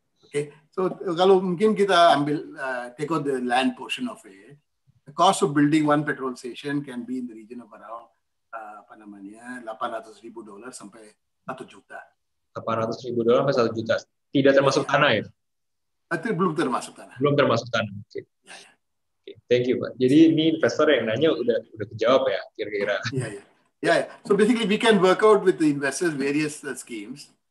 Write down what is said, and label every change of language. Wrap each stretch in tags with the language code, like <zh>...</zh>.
<en>Okay, so</en> <id>kalau mungkin kita ambil</id> <en>take out the land portion of it, the cost of building one petrol station can be in the region of around $800,000 sampai $1,000,000.</en> <id>$800,000 sampai $1,000,000 tidak termasuk tanah ya? Itu belum termasuk tanah. Belum termasuk tanah. Oke.</id> <en>Okay. Yeah. Okay, thank you</en> <id>Pak. Jadi ini investor yang nanya udah kejawab ya kira-kira.</id> <en>Yeah. Yeah, so basically we can work out with the investors various schemes.</en>